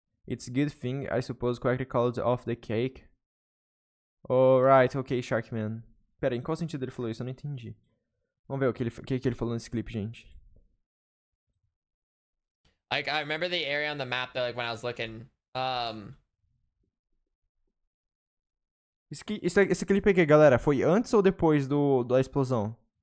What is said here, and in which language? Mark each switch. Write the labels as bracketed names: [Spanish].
[English] It's a good thing, I suppose, correctly called off the cake. Alright, ok, Sharkman. [Portuguese] Pera, em qual sentido ele falou isso? Eu não entendi. Vamos ver o que ele falou nesse clipe, gente. [English] Like, I remember the area on the map that, like, when I was looking. [Portuguese] Esse clipe aqui, galera, foi antes ou depois da explosão?